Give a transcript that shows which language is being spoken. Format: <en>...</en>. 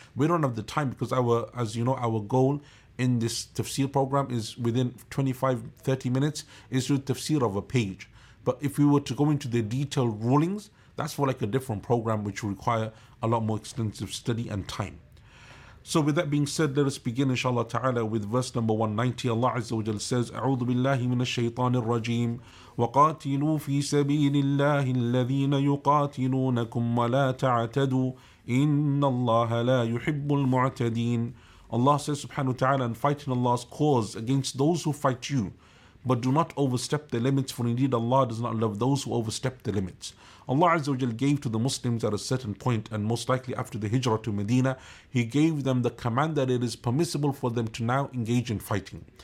<en>We don't have the time, because our goal in this tafsir program is within 25-30 minutes is the tafsir of a page. But if we were to go into the detailed rulings, that's for like a different program which will require a lot more extensive study and time. So with that being said, let us begin inshallah ta'ala with verse number 190. Allah Azza wa Jal says,</en> <ar>أعوذ بالله من الشيطان الرجيم وقاتلوا في سبيل الله الذين يقاتلونكم ولا تعتدوا إن الله لا يحب المعتدين.</ar> <en>Allah says subhanahu wa ta'ala, and fight in Allah's cause against those who fight you, but do not overstep the limits, for indeed Allah does not love those who overstep the limits. Allah Azza wa Jal gave to the Muslims at a certain point, and most likely after the hijrah to Medina, He gave them the command that it is permissible for them to now engage in fighting.</en>